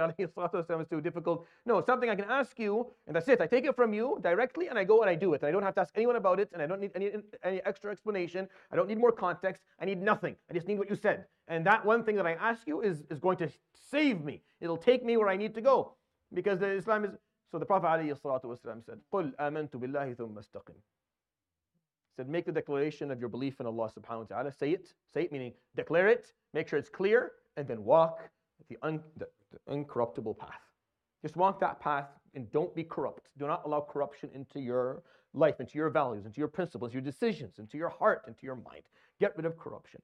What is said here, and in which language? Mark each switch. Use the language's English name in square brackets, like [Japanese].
[English] Alayhi salatu wasalam, is too difficult. No, something I can ask you, and that's it. I take it from you directly, and I go and I do it. And I don't have to ask anyone about it, and I don't need any extra explanation. I don't need more context. I need nothing. I just need what you said. And that one thing that I ask you is going to save me. It'll take me where I need to go, because the Islam is... So the Prophet [Arabic] عليه الصلاة والسلام said, قُلْ أَمَنْتُ بِاللَّهِ ثُمَّ اسْتَقِمْ. [English] Said, make the declaration of your belief in Allah subhanahu wa ta'ala. Say it, meaning declare it, make sure it's clear, and then walk the incorruptible path. Just walk that path and don't be corrupt. Do not allow corruption into your life, into your values, into your principles, your decisions, into your heart, into your mind. Get rid of corruption.